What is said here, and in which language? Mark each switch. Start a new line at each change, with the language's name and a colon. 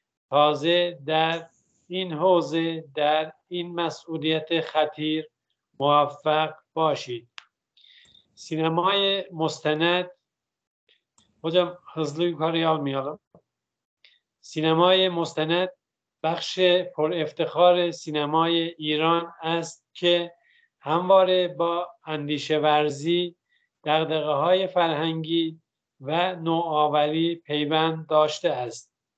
Persian: تازه در این حوزه در این مسئولیت خطیر موفق باشید. سینمای مستند
Turkish: Hocam hızlı yukarıya almayalım.
Persian: Sinemaye mostened بخش پر افتخار سینمای ایران است که همواره با اندیشه ورزی، دغدغه‌های فرهنگی و نوآوری پیوند داشته است.